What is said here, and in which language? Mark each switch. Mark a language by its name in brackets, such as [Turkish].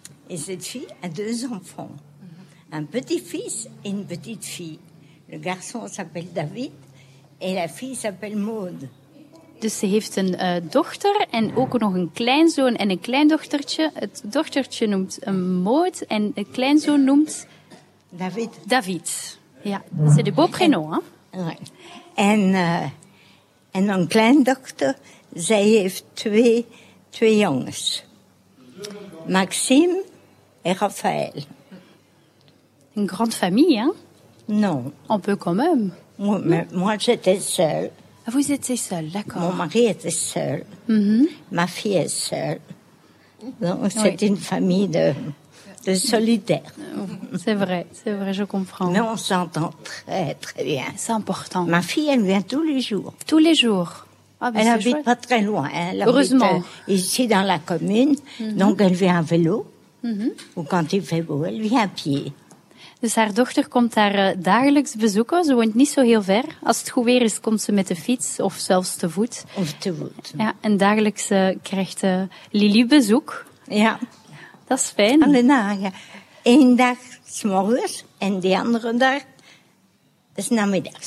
[French] En cette fille a 2 enfants. Un petit-fils et une petite-fille. Le garçon s'appelle David et la fille s'appelle Maud. [Dutch] Dus ze heeft een dochter en ook nog een kleinzoon en een kleindochtertje. Het dochtertje noemt Maud en het kleinzoon noemt... David. David. [French] Ja, c'est de beau prénom, hein? [Dutch] En een kleindochter, zij heeft twee jongens. [French] Maxime et Raphaël. Une grande famille, hein? Non. Un peu quand même. Oui, mais moi, j'étais seule. Vous étiez seule, d'accord. Mon mari était seul. Mm-hmm. Ma fille est seule. Donc, c'est oui. Une famille de solidaires. C'est vrai, je comprends. Mais on s'entend très, très bien. C'est important. Ma fille, elle vient tous les jours. Tous les jours. Ah, elle habite chouette. Pas très loin. Elle heureusement. Ici, dans la commune. Mm-hmm. Donc, elle vient à vélo. Mm-hmm. Ou quand il fait beau, elle vient à pied. [Dutch] Dus haar dochter komt daar dagelijks bezoeken. Ze woont niet zo heel ver. Als het goed weer is, komt ze met de fiets of zelfs te voet. Of te voet. Ja, en dagelijks krijgt Lili bezoek. Ja. Dat is fijn. Alle dagen. Eén dag 's morgens en die andere dag 's namiddags.